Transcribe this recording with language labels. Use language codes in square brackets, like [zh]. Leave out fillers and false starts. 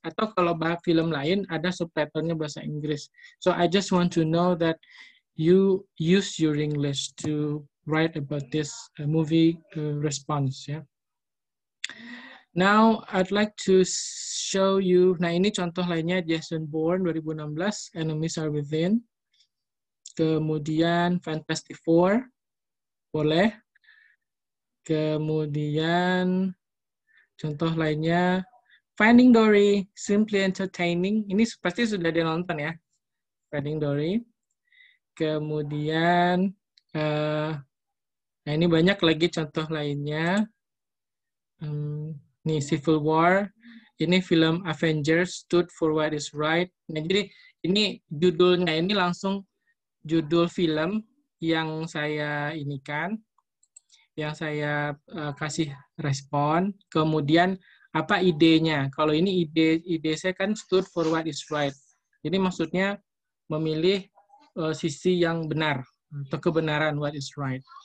[id] Atau kalau bahas film lain, ada subtitlenya bahasa Inggris. [en] So I just want to know that you use your English to write about this movie response. Yeah. Now, I'd like to show you, [id] nah ini contoh lainnya, [en] Jason Bourne 2016, Enemies Are Within. [id] Kemudian Fantastic Four, boleh. Kemudian contoh lainnya, Finding Dory, Simply Entertaining. Ini pasti sudah dia nonton ya, Finding Dory. Kemudian, nah ini banyak lagi contoh lainnya. Nih, Civil War. Ini film Avengers, Stood for What is Right. Nah, jadi ini judulnya, ini langsung judul film yang saya inikan, yang saya kasih respon, kemudian apa idenya? Kalau ini ide saya kan stood for what is right. Jadi maksudnya memilih sisi yang benar atau kebenaran, what is right.